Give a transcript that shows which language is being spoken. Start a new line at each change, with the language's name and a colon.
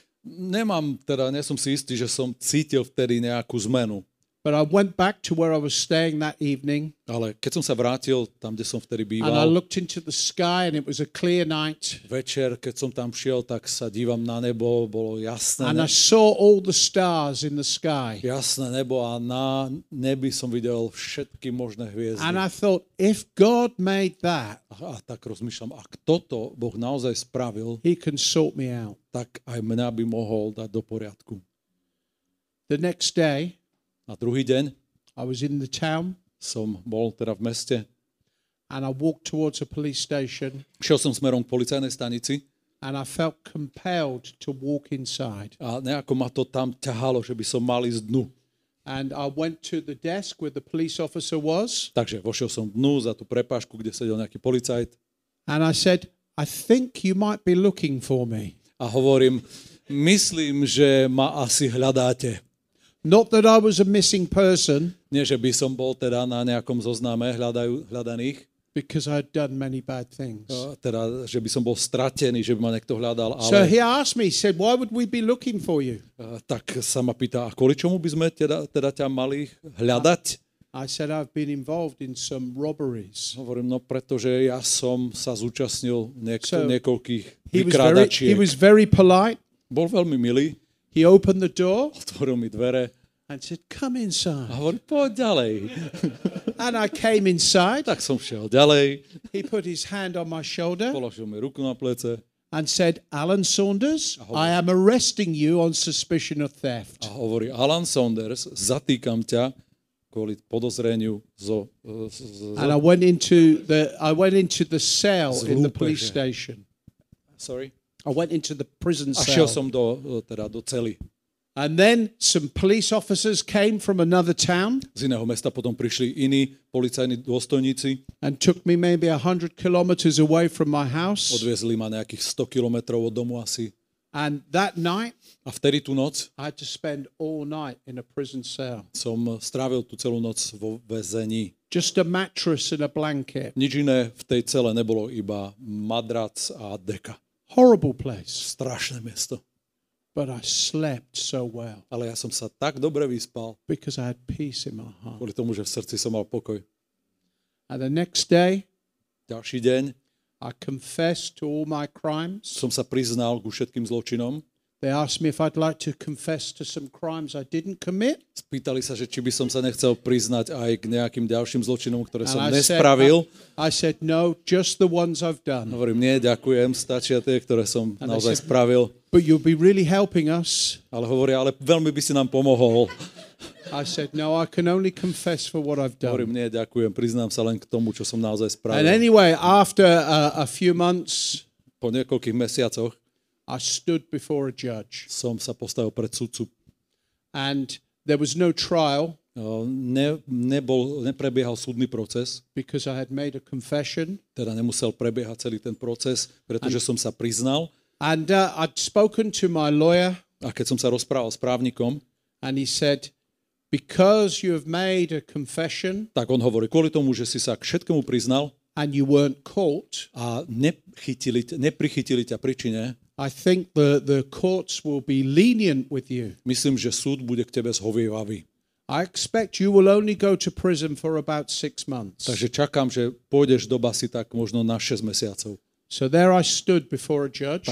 Slovak: Nie som si istý, že som cítil vtedy nejakú zmenu.
English: But I went back to where I was staying that evening.
Slovak: Ale keď som sa vrátil tam, kde som vtedy býval.
English: And I looked into the sky and it was a clear night.
Slovak: Večer, keď som tam šiel, tak sa dívam na nebo, bolo jasné.
English: And I saw all the stars in the sky.
Slovak: Jasné nebo a na nebi som videl všetky možné hviezdy.
English: And I thought, if God made that.
Slovak: A tak rozmýšľam, ak toto Boh naozaj spravil.
English: He can sort me out.
Slovak: Tak aj mňa by mohol dať do poriadku.
English: The next day.
Slovak: A druhý deň
English: I was in the town,
Slovak: som bol teda v meste
English: and I walked towards a police station,
Slovak: šiel som smerom k policajnej stanici
English: and I felt compelled to walk inside.
Slovak: A nejako ma to tam ťahalo, že by som mal ísť dnu.
English: And I went to the desk where the police officer was.
Slovak: Takže vošiel som dnu za tú prepášku, kde sedel nejaký policajt.
English: And I said, I think you might be looking for me.
Slovak: A hovorím, myslím, že ma asi hľadáte.
English: Not that I was a missing person.
Slovak: Nie, že by som bol teda na nejakom zozname hľadaných.
English: Because I had done many bad things.
Slovak: Teda, že by som bol stratený, že by ma niekto hľadal, ale...
English: So he asked me, he said, why would we be looking for you?
Slovak: Tak sa ma pýta, a kvôli čomu by sme teda ťa mali hľadať?
English: I said, I've been involved in some robberies.
Slovak: Hovorím, no pretože ja som sa zúčastnil niekoľkých vykrádačiek.
English: He was very polite.
Slovak: Bol veľmi milý.
English: He opened the door.
Slovak: Otvoril mi dvere.
English: And said, come inside.
Slovak: A hovorí, poď ďalej.
English: And I came inside.
Slovak: Tak som šiel ďalej.
English: He put his hand on my shoulder.
Slovak: Položil mi ruku na plece.
English: And said, Alan Saunders, I am arresting you on suspicion of theft.
Slovak: A hovorí, Alan Saunders, zatýkam ťa kvôli podozreniu zo...
English: And I went into the cell in the police station. Sorry. I went into the prison cell.
Slovak: A šiel som do cely.
English: And then some police officers came from another town.
Slovak: Z iného mesta potom prišli iní policajní dôstojníci.
English: And took me maybe 100 kilometers away from my house.
Slovak: Odviezli ma nejakých 100 kilometrov od domu asi.
English: And that night.
Slovak: A vtedy tú noc.
English: I had to spend all night in a prison cell.
Slovak: Som strávil tú celú noc vo väzení.
English: Just a mattress and a blanket.
Slovak: Nič iné v tej cele nebolo, iba madrac a deka.
English: Horrible place.
Slovak: Strašné miesto.
English: But I slept so well.
Slovak: Ale ja som sa tak dobre vyspal.
English: Because I had peace in my heart.
Slovak: Kvôli tomu, že v srdci som mal pokoj.
English: And the next day,
Slovak: ďalší deň,
English: I confessed to all my crimes.
Slovak: Som sa priznal ku všetkým zločinom.
English: They asked me if I'd like to confess to some crimes I didn't commit.
Slovak: Spýtali sa, že či by som sa nechcel priznať aj k nejakým ďalším zločinom, ktoré som nespravil.
English: I said no, just the ones I've done.
Slovak: Hovorím, nie, ďakujem, stačia tie, ktoré som naozaj spravil.
English: But you'll be really helping us.
Slovak: Ale hovorí, ale veľmi by si nám pomohol.
English: I said no, I can only confess for what I've done.
Slovak: Hovorím, nie, ďakujem, priznám sa len k tomu, čo som naozaj spravil.
English: And anyway, after a few months,
Slovak: po niekoľkých mesiacoch,
English: I stood before a judge.
Slovak: Som sa postavil pred sudcu.
English: And there was no trial.
Slovak: Neprebiehal súdny proces.
English: Because I had made a confession.
Slovak: Teda nemusel prebiehať celý ten proces, pretože som sa priznal.
English: And I'd spoken to my lawyer.
Slovak: A keď som sa rozprával s právnikom.
English: And he said, Because you have made a confession.
Slovak: Tak on hovorí, kvôli tomu, že si sa k všetkému priznal.
English: And you weren't caught.
Slovak: A neprichytili ťa pri čine.
English: I think the courts will be lenient with you.
Slovak: Myslím, že súd bude k tebe zhovievavý.
English: I expect you will only go to prison for about 6 months.
Slovak: Takže čakám, že pôjdeš do basy tak možno na 6 mesiacov.
English: So there I stood before a judge.